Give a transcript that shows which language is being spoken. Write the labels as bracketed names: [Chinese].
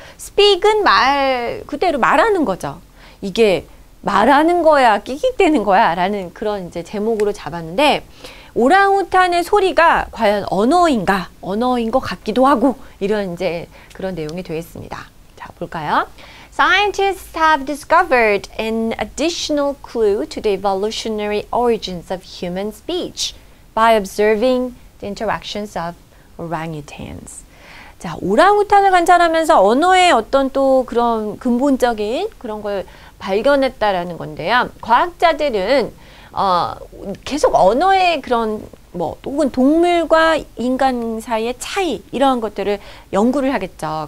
[Korean] speak은 말 그대로 말하는 거죠. 이게 말하는 거야, 끽끽대는 거야 라는 그런 이제 제목으로 잡았는데 오랑우탄의 소리가 과연 언어인가? 언어인 것 같기도 하고 이런 이제 그런 내용이 되겠습니다. 자, 볼까요? [English] Scientists have discovered an additional clue to the evolutionary origins of human speech by observing the interactions of orangutans. [Korean] 자, 오랑우탄을 관찰하면서 언어의 어떤 또 그런 근본적인 그런 걸 발견했다라는 건데요. 과학자들은 계속 언어의 그런 뭐 혹은 동물과 인간 사이의 차이 이러한 것들을 연구를 하겠죠.